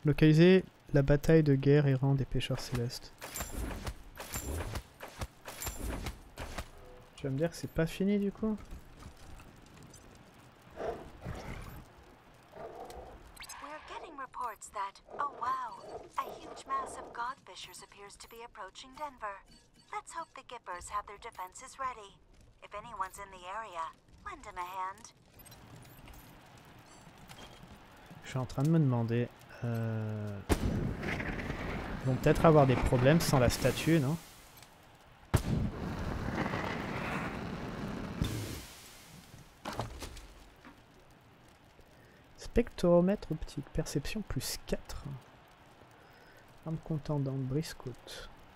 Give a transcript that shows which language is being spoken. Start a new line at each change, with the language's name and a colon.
French: Localiser la bataille de guerre errant des pêcheurs célestes. Tu vas me dire que c'est pas fini du coup?
English: We're getting reports that, oh wow, a huge mass of godfishers appears to be approaching Denver. Let's hope the Gippers have their defenses ready. If anyone's in the area, lend them a hand.
French: Je suis en train de me demander. Ils vont peut-être avoir des problèmes sans la statue, non? Spectromètre optique, perception plus 4. Arme contendante, briscoute.